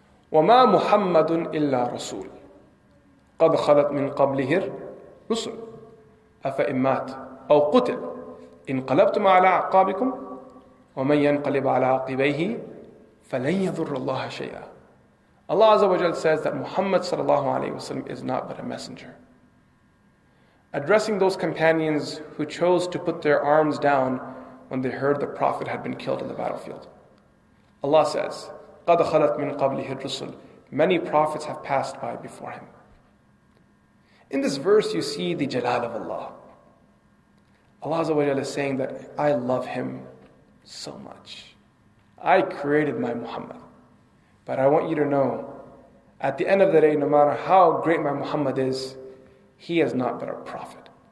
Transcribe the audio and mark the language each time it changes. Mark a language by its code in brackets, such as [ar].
[ar] وَمَا مُحَمَّدٌ إِلَّا رَسُولٌ قَدْ خَلَتْ مِنْ قَبْلِهِ الرُّسُلُ أَفَإِنْ مَاتْ أَوْ قُتِلْ إِنْقَلَبْتُمْ عَلَىٰ أَعْقَابِكُمْ وَمَنْ يَنْقَلِبْ عَلَىٰ عَقِبَيْهِ فَلَنْ يَذُرَّ اللَّهَ شَيْئًا. [en] Allah Azza wa Jal says that Muhammad sallallahu alayhi wa sallam is not but a messenger. Addressing those companions who chose to put their arms down when they heard the Prophet had been killed in the battlefield. Allah says, [ar] قَدْ خَلَتْ مِنْ قَبْلِهِ الرُّسُلُ. [en] Many prophets have passed by before him. In this verse you see the jalal of Allah. Allah Azza wa Jalla is saying that I love him so much. I created my Muhammad. But I want you to know, at the end of the day, no matter how great my Muhammad is, he is not but a prophet.